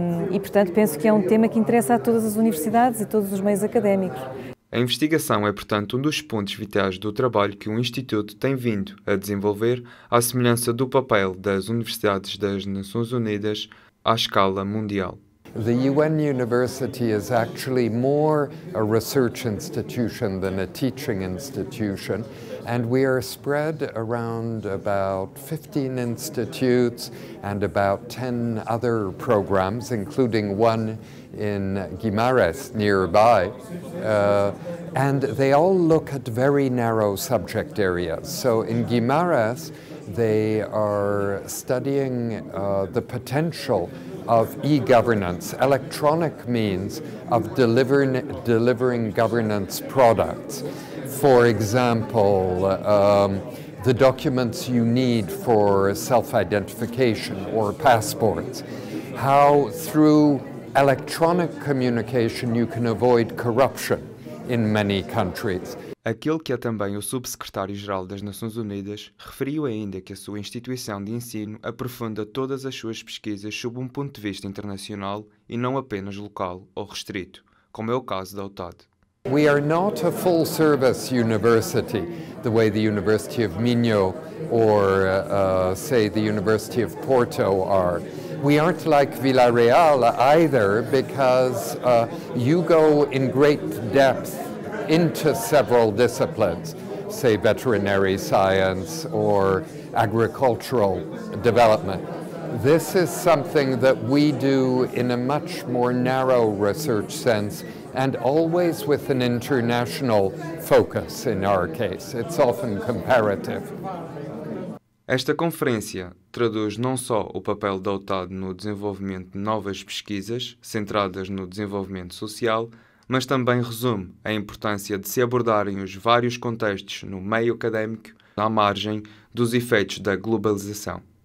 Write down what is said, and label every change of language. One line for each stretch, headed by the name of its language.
Portuguese: E, portanto, penso que é um tema que interessa a todas as universidades e todos os meios académicos. A investigação é, portanto, um dos pontos vitais do trabalho que o Instituto tem vindo a desenvolver, à semelhança do papel das Universidades das Nações Unidas à escala mundial.
English: The UN University is actually more a research institution than a teaching institution, and we are spread around about 15 institutes and about 10 other programs, including one in Guimarães nearby, and they all look at very narrow subject areas. So in Guimarães, they are studying the potential of e-governance, electronic means of delivering governance products. For example, the documents you need for self-identification or passports. How through electronic communication you can avoid corruption in many countries.
Portuguese: Aquele que é também o Subsecretário-Geral das Nações Unidas referiu ainda que a sua instituição de ensino aprofunda todas as suas pesquisas sob um ponto de vista internacional e não apenas local ou restrito, como é o caso da UTAD.
English: We are not a full-service university, the way the University of Minho or, say, the University of Porto are. We aren't like Villarreal either, because you go in great depth into several disciplines, say veterinary science or agricultural development. This is something that we do in a much more narrow research sense and always with an international focus in our case. It's often comparative.
Portuguese: Esta conferência traduz não só o papel da UTAD no desenvolvimento de novas pesquisas centradas no desenvolvimento social, mas também resume a importância de se abordarem os vários contextos no meio académico, à margem dos efeitos da globalização.